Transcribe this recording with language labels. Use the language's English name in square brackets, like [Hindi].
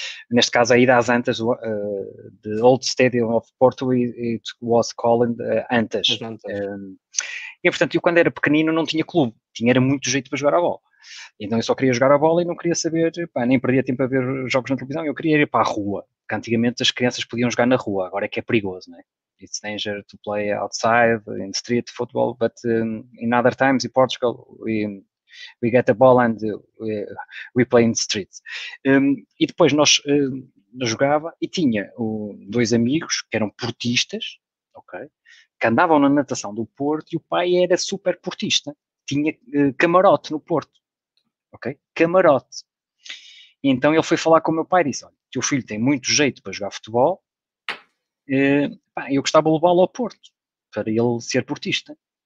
[Portuguese] Neste caso, a ida às Antas, [English] the old stadium of Porto, it was called Antas. [Portuguese] E, portanto, eu quando era pequenino não tinha clube, tinha muito jeito para jogar a bola. Então eu só queria jogar a bola e não queria saber, nem perdia tempo a ver jogos na televisão, eu queria ir para a rua, porque antigamente as crianças podiam jogar na rua, agora é que é perigoso, não é? [English] It's danger to play outside, in street football, but in other times in Portugal, we get the ball and we play in the streets. [Portuguese] E depois nós jogava e tinha dois amigos que eram portistas, ok? Que andavam na natação do Porto e o pai era super portista, tinha camarote no Porto, ok? Camarote. E então ele foi falar com o meu pai e disse, olha, teu filho tem muito jeito para jogar futebol, eu gostava de levá-lo ao Porto para ele ser portista.